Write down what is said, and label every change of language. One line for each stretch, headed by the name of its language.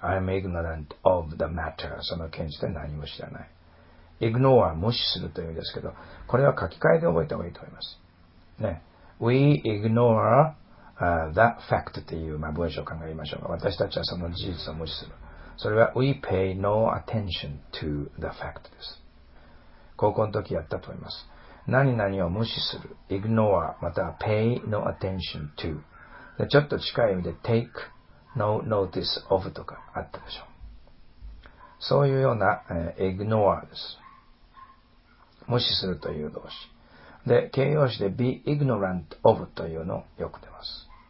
English: I'm ignorant of the matter。
Japanese: その件について何も知らない。ignore は無視するという意味ですけど、これは書き換えで覚えた方がいいと思います。ね、
English: We ignore、the fact
Japanese: という、まあ、文章を考えましょうか。私たちはその事実を無視する。それは
English: We pay no attention to the fact
Japanese: です。高校の時やったと思います。何々を無視する。
English: ignore または pay no attention to。
Japanese: ちょっと近い意味で
English: take no notice of
Japanese: とかあったでしょう。そういうような、ignore です。無視するという動詞。で、形容詞で
English: be ignorant of
Japanese: というのをよく出ます。